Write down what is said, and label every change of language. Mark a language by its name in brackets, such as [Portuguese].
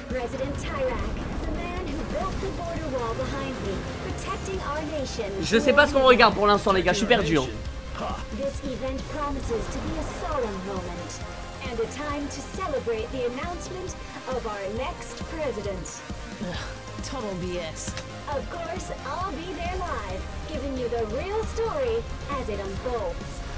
[English] President Tyrak, the man who built the border wall behind me, protecting our nation. [French] Je sais pas ce qu'on regarde pour l'instant, les gars, je suis perdu. Hein. [English] This event promises to be a solemn moment and a time to celebrate the announcement of our next president. Total BS. Of course, I'll be there live, giving you the real story as it unfolds.